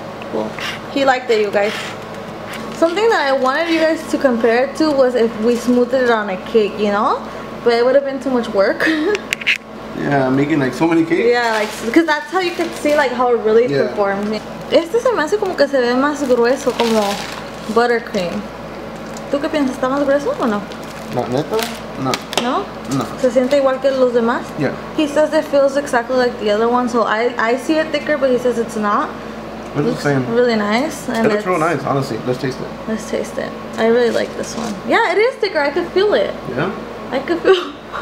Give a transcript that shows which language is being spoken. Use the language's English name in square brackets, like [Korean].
[English] Cool. He liked it, you guys. Something that I wanted you guys to compare it to was if we smoothed it on a cake, you know? But it would have been too much work. Yeah. making like so many cakes. Yeah, like because that's how you can see like how it really performs. [Spanish] Este se me hace como que se ve más grueso como buttercream. ¿Tú qué piensas? ¿Está más grueso o no? No. ¿Se siente igual que los demás? [English] Yeah. He says it feels exactly like the other one, so I see it thicker, but he says it's not. It looks the same. Really nice. And it looks real nice, honestly. Let's taste it. Let's taste it. I really like this one. Yeah, it is thicker. I could feel it. Yeah? I could feel...